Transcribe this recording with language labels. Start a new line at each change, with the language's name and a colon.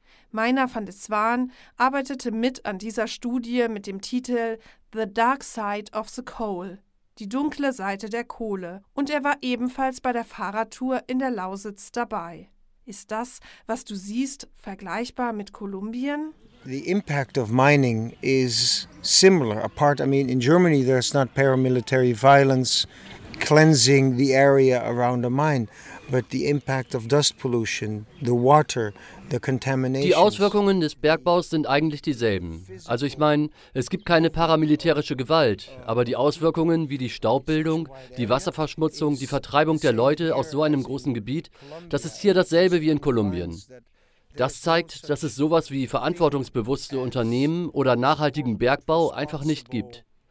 German: Meiner van de Zwaan arbeitete mit an dieser Studie mit dem Titel »The Dark Side of the Coal«, die dunkle Seite der Kohle, und er war ebenfalls bei der Fahrradtour in der Lausitz dabei. Ist das, was du siehst, vergleichbar mit Kolumbien?
English: The impact of mining is similar. Apart, I mean, in Germany there's not paramilitary violence cleansing the area around the mine, but the impact of dust pollution, the water, the contamination.
German: Die Auswirkungen des Bergbaus sind eigentlich dieselben. Also ich meine, es gibt keine paramilitärische Gewalt, aber die Auswirkungen wie die Staubbildung, die Wasserverschmutzung, die Vertreibung der Leute aus so einem großen Gebiet, das ist hier dasselbe wie in Kolumbien. Das zeigt, dass es sowas wie verantwortungsbewusste Unternehmen oder nachhaltigen Bergbau einfach nicht gibt.